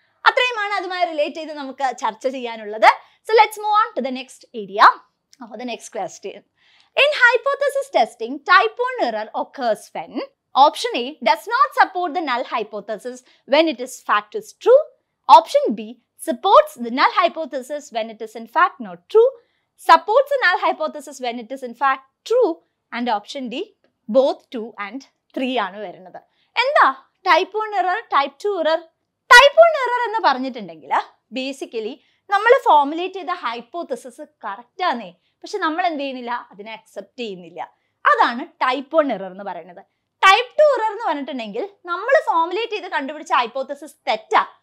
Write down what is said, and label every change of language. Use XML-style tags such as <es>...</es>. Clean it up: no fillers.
<ml>അത്രയുമാണ് അതുമായി റിലേറ്റ് ചെയ്ത് നമുക്ക് ചർച്ച ചെയ്യാനുള്ളത്.</ml> <en>So let's move on to the next area, or the next question. In hypothesis testing type one error occurs when. Option a does not support the null hypothesis when it is fact is true. Option b supports the null hypothesis when it is in fact not true, supports the null hypothesis when it is in fact true, and option D, both 2 and 3</en> <ml>ആണ് വരുന്നത്. എന്താ type 1 error, type 2 error? Type 1 error എന്ന് പറഞ്ഞിട്ടുണ്ടെങ്കിൽ basically നമ്മൾ formulate ചെയ്ത hypothesis കറക്റ്റാണേ, പക്ഷെ നമ്മൾ എന്ത് ചെയ്യുന്നില്ല, അതിനെ അക്സെപ്റ്റ് ചെയ്യുന്നില്ല, അതാണ് ടൈപ്പ് 1 എറർ എന്ന് പറയുന്നത്. ടൈപ്പ് 2 എറർ എന്ന് പറഞ്ഞിട്ടുണ്ടെങ്കിൽ നമ്മൾ ഫോർമുലേറ്റ് ചെയ്ത് കണ്ടുപിടിച്ച ഹൈപ്പോതെസിസ് തെറ്റാ,</ml>